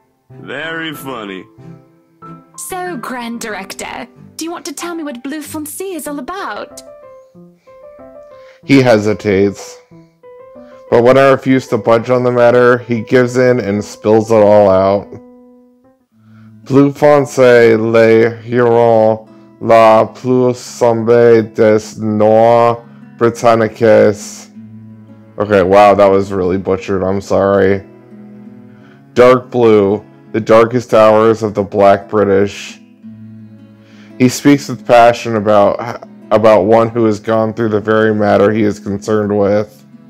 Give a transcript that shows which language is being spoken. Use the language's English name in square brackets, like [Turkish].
[English] Very funny. So, Grand Director, do you want to tell me what Blue Foncé is all about? He hesitates. But when I refuse to budge on the matter, he gives in and spills it all out. [French] Blue Foncé, le héron, la plus sombre des noirs britanniques. [English] Okay, wow, that was really butchered, I'm sorry. Dark blue, the darkest hours of the black British. He speaks with passion about one who has gone through the very matter he is concerned with.